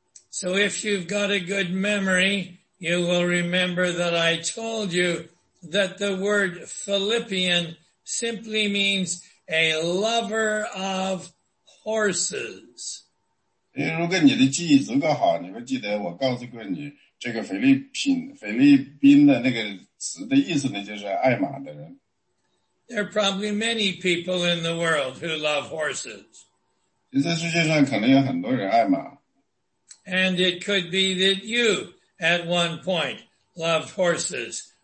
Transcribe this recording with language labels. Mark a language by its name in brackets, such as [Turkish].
[English] So if you've got a good memory, you will remember that I told you that the word Philippian simply means a lover of horses. [Chinese] 如果你的记忆足够好，你会记得我告诉过你，这个腓立宾的那个词的意思呢，就是爱马的人。 [English] There are probably many people in the world who love horses. [Chinese] 在世界上可能有很多人爱马。 [English] And it could be that you, at one point, loved horses.